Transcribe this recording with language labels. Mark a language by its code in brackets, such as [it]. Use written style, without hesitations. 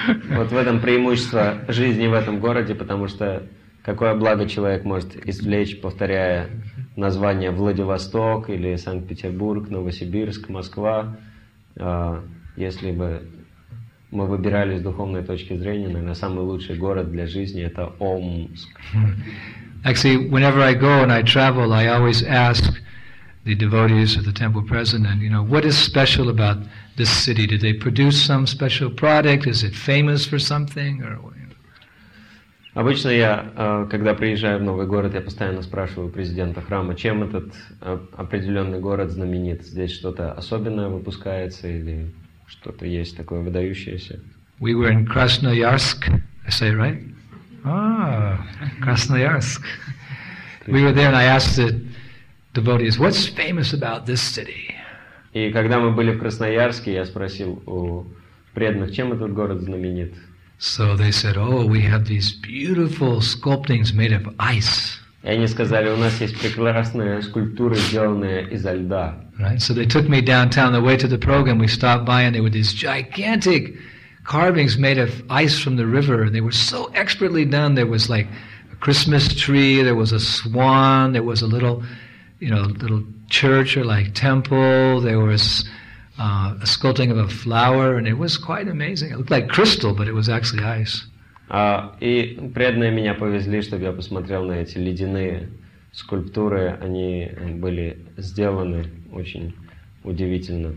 [ru] Вот в этом преимущество жизни в этом городе, потому что какое благо человек может извлечь, повторяя название Владивосток или Санкт-Петербург, Новосибирск, Москва, если бы мы выбирали с духовной точки зрения, наверное, самый лучший город для жизни — это Омск. [en] Actually, whenever I go and I travel, I always ask the devotees of the temple president, you know, what is special about this city? Do they produce some special product? Is it famous for something? Or, you know? [ru] Обычно я, когда приезжаю в новый город, я постоянно спрашиваю президента храма, чем этот определенный город знаменит? Здесь что-то особенное выпускается или что-то есть такое выдающееся? [en] We were in Krasnoyarsk. I say it right? Krasnoyarsk. We were there and I asked it, devotees, what's famous about this city? [ru] И когда мы были в Красноярске, я спросил у преданных, чем этот город знаменит. [en] So they said, oh, we have these beautiful sculptings made of ice. [ru] И они сказали, у нас есть прекрасные скульптуры, сделанные изо льда. [en] Right. So they took me downtown. The way to the program, we stopped by, and there were these gigantic carvings made of ice from the river, and they were so expertly done. There was like a Christmas tree. There was a swan. There was a little, you know, little church or like temple. There was a sculpting of a flower, and it was quite amazing. It looked like crystal, but it was actually ice. [ru] И преданные меня повезли, чтобы я посмотрел на эти ледяные скульптуры. Они были сделаны очень удивительно.